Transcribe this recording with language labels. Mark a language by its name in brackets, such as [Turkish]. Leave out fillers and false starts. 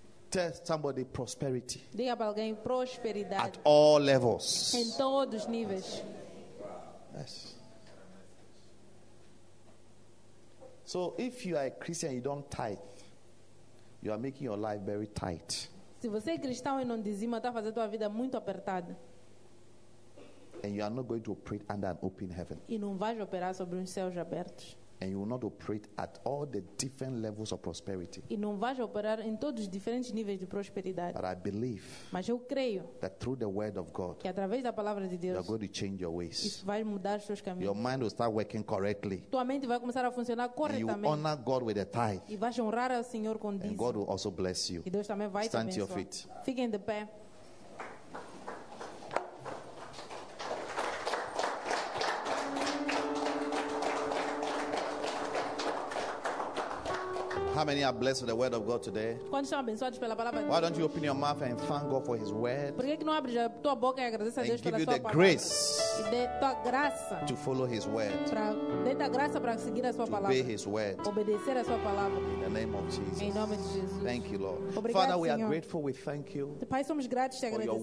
[English] Tell somebody prosperity. [Portuguese] Diga para alguém prosperidade. [English] At all levels. [Portuguese] Em todos os níveis. [English] Yes. So if you are a Christian, you don't tithe. You are making your life very tight. [Portuguese] Se você é cristão e não dizima, está fazendo a tua vida muito apertada. [English] And you are not going to operate under an open heaven. [Portuguese] E não vais operar sobre os céus abertos. [English] And you will not operate at all the different levels of prosperity. [Portuguese] E não vais operar em todos os diferentes níveis de prosperidade. [English] But I believe. [Portuguese] Mas eu creio. [English] That through the word of God. [Portuguese] Que através da palavra de Deus. [English] You are going to change your ways. [Portuguese] Isso vai mudar os seus caminhos. [English] Your mind will start working correctly. [Portuguese] Tua mente vai começar a funcionar corretamente. [English] And you honor God with a tithe. [Portuguese] E vais honrar ao Senhor com dízimo. [English] And God will also bless you. [Portuguese] E Deus também vai [English] stand [Portuguese] te abençoar. [English] To your feet. [Portuguese] Fiquem de pé. [English] How many are blessed with the word of God today? [Portuguese] Quantos são abençoados pela palavra de Deus? [English] Why don't you open your mouth and thank God for his word? [Portuguese] Por que não abres a tua boca e agradeces a Deus pela sua palavra? [English] And give you the grace. [Portuguese] E dê tua graça. [English] To follow his word. [Portuguese] Para dê tua graça para seguir a sua palavra. [English] Obey his word. [Portuguese] Obedecer a sua palavra. [English] In the name of Jesus. [Portuguese] Em nome de Jesus. [English] Thank you, Lord. [Portuguese] Obrigado, [English] Father, [Portuguese] Senhor. [English] We are grateful. We thank you. [Portuguese] Pai, somos gratos e agradecemos.